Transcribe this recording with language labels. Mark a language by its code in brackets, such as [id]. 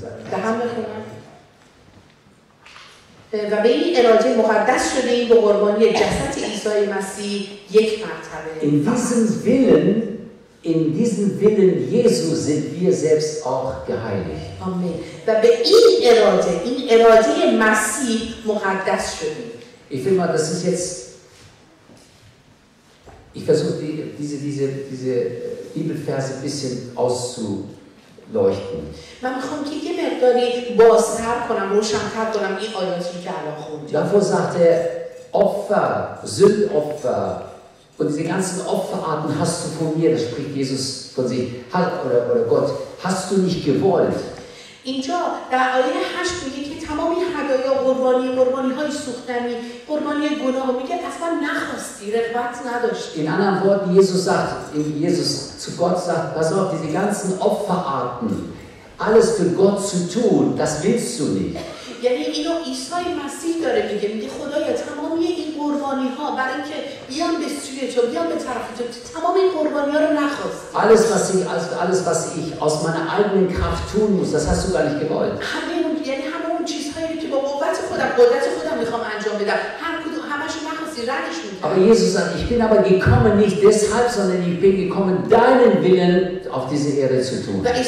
[fa] دهم بخونم. و به این اراده مقدس شده این به قربانی جسد عیسی مسیح یک مرتبه. [de] In diesem Willen, in diesem Willen Jesu sind wir selbst auch geheiligt. Amen. [fa] و به این اراده، این اراده مسیح مقدس شدیم. [de] Ich finde mal, das ist jetzt, ich versuche diese Bibelverse ein bisschen auszuleuchten. [fa] من میخوام که یه مقداری بازتر کنم، روشنتر کنم این آیاتی که الان خوندیم. [de] Davor sagt Opfer, Sündopfer, und diese ganzen Opferarten hast du von mir, das spricht Jesus von sich, halt oder Gott, hast du nicht gewollt. [fa] اینجا در آیه 8 میگه که تمام این هدایا قربانی قربانی های سوختنی قربانی گناه میگه اصلا نخواستی رغبت نداشتی. [de] In anderen Worten Jesus sagt, Jesus zu Gott sagt, pass auf, diese ganzen Opferarten, alles für Gott zu tun, das willst du nicht. [fa] یعنی اینو عیسی مسیح داره میگه، میگه خدایا تمام این قربانی ها برای اینکه بیام به سوی تو، بیام به طرف تو، تمام این قربانی ها رو نخواست. [de] Alles was ich aus meiner eigenen Kraft tun muss, das hast du gar nicht gewollt. [fa] یعنی همه اون چیزهایی که با قدرت خودم میخوام انجام بدم، هر کدوم همشو نخواستی، ردش میکنی. [de] Aber Jesus sagt, ich bin aber gekommen nicht deshalb, sondern ich bin gekommen deinen Willen auf diese Erde zu tun.